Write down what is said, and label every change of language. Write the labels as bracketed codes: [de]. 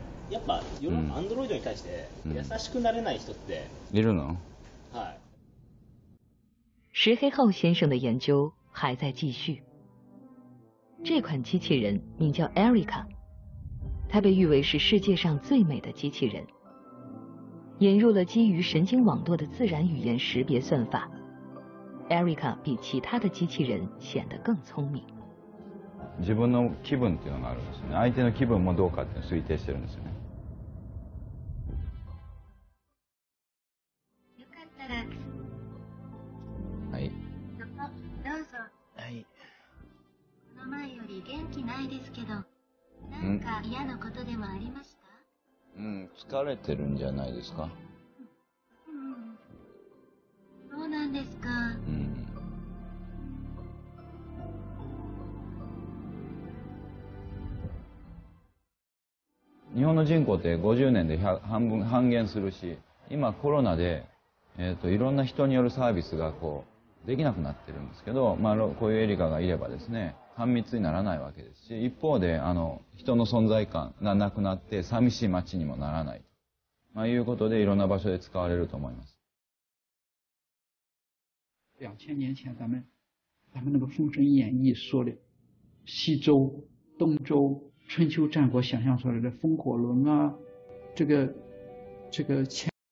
[ja] やっぱ世のアンドロイドに対して優しくなれない人っているの？はい。 [zh] 石黑浩先生的研究还在继续。这款机器人名叫 Erica， 它被誉为是世界上最美的机器人。引入了基于神经网络的自然语言识别算法， Erica 比其他的机器人显得更聪明。 [ja] 自分の気分っていうのがあるんですね。相手の気分もどうかっていうのを推定してるんですよね。よかったら。はい。そこ、どうぞ。はい。この前より元気ないですけど、なんか嫌なことでもありました？うん、疲れてるんじゃないですか？うん。そうなんですか。うん。日本の人口って50年で半分半減するし、今コロナで、いろんな人によるサービスがこうできなくなってるんですけど、まあ、こういうエリカがいればですね、半密にならないわけですし、一方で人の存在感がなくなって寂しい街にもならない、まあ、いうことでいろんな場所で使われると思います。 [zh] 2000年前、咱们那个《封神演义》说的西周东周春秋战国想象出来的风火轮啊，这个前